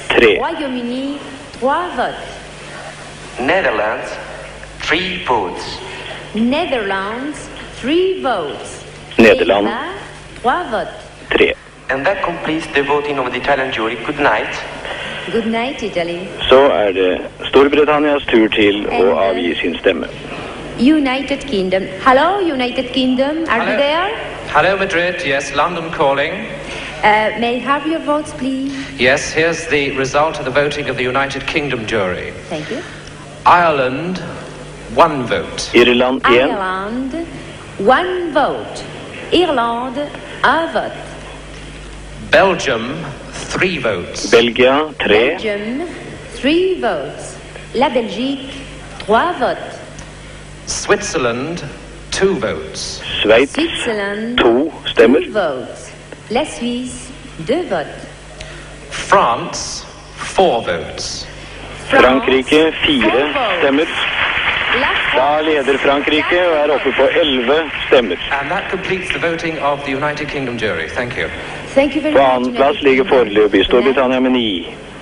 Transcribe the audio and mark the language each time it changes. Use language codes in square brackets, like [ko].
[en] 3. [fr] Royaume-Uni, 3 votes. [en] Netherlands, 3 votes. Netherlands, 3 votes. Netherlands, 3 votes. 3. And that completes the voting of the Italian jury. Good night. Good night, Italy. [sv] Så är det Storbritanniens tur till att avge sin stämme. [en] United Kingdom. Hello, United Kingdom. Are you there? Hello, Madrid. Yes, London calling. May I have your votes, please? Yes, here's the result of the voting of the United Kingdom jury. Thank you. Ireland, 1 vote. Ireland, 1. Ireland, 1 vote. Ireland, 1 vote. Belgium, 3 votes. Belgium, 3. Belgium, 3 votes. [fr] La Belgique, 3 votes. [en] Switzerland, 2 votes. [de] Schweiz, [en] Switzerland, [no] 2 stemmer. [en] 2 votes. [fr] La Suisse, 2 votes. [en] France, 4 votes. [no] Frankrike, 4 stemmer. Da leder Frankrike og oppe på 11 stemmer. [en] And that completes the voting of the United Kingdom jury. Thank you. Thank you very much. [no] På andre plass ligger foreløpig Storbritannia med 9.